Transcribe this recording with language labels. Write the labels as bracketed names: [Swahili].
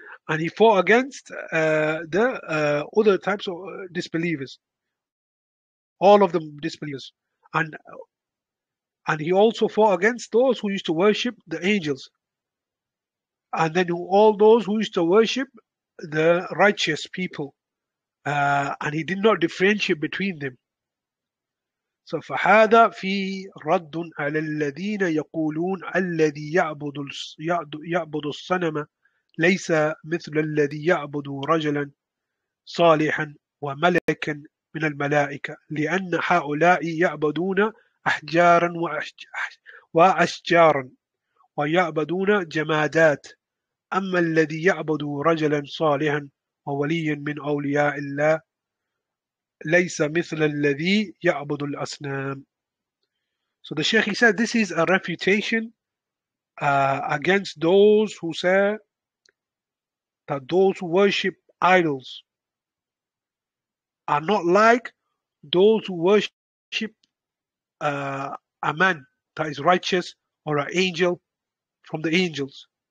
[English] And he fought against the other types of disbelievers, all of them disbelievers. And he also fought against those who used to worship the angels, and then all those who used to worship the righteous people. And he did not differentiate between them. [Arabic] So فَهَذَا فِي رَدٌّ عَلَى الَّذِينَ يَقُولُونَ الَّذِي يَعْبُدُ الصَّنَمَ لَيْسَ مِثْلَ الَّذِي يَعْبُدُ رَجَلًا صَالِحًا وَمَلَكًا مِنَ الْمَلَائِكَةِ لِأَنَّ هَؤُلَاءِ يَعْبُدُونَ أَحْجَارًا وَأَشْجَارًا وَيَعْبُدُونَ جَمَادَاتٍ أما الذي يعبد رجلا صالحا ووليا من أولياء الله ليس مثل الذي يعبد الأصنام. [English] So the Shaykh, he said, this is a refutation against those who say that those who worship idols are not like those who worship a man that is righteous or an angel from the angels.